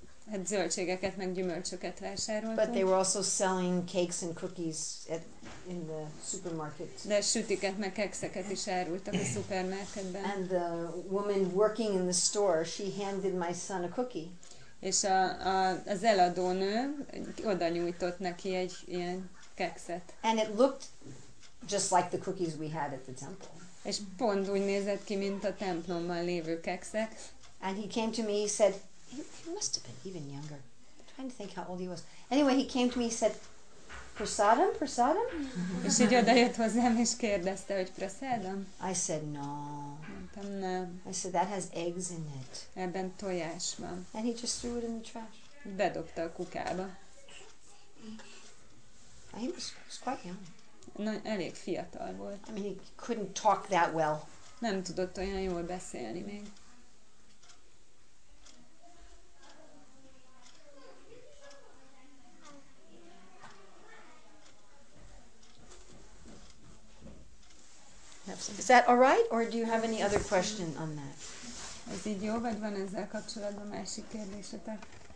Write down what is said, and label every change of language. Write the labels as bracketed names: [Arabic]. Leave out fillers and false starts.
[Hungarian] Hát zöldségeket meg gyümölcsöket vásároltunk. [English] But they were also selling cakes and cookies in the supermarket. [Hungarian] De sütiket meg kekszeket is árultak a szupermarketben. [English] And the woman working in the store, she handed my son a cookie. [Hungarian] És az eladónő oda nyújtott neki egy ilyen kekszet. [English] And it looked just like the cookies we had at the temple. [Hungarian] És pont úgy nézett ki, mint a templomban lévő kekszek. [English] And he came to me, he said, he must have been even younger. I'm trying to think how old he was. Anyway, he came to me, he said, Prasadam? [Hungarian] És így odajött hozzám, és kérdezte, hogy prasadam? [English] I said, no. [Hungarian] Mondtam, nem. [English] I said, that has eggs in it. [Hungarian] Ebben tojás van. [English] And he just threw it in the trash. [Hungarian] Bedobta a kukába. [English] He was quite young. [Hungarian] Na, elég fiatal volt. [English] I mean, he couldn't talk that well. [Hungarian] Nem tudott olyan jól beszélni még. [English] Is that all right, or do you have any other question on that? [Hungarian] Ez így jó, vagy van ezzel kapcsolatban másik kérdésetek?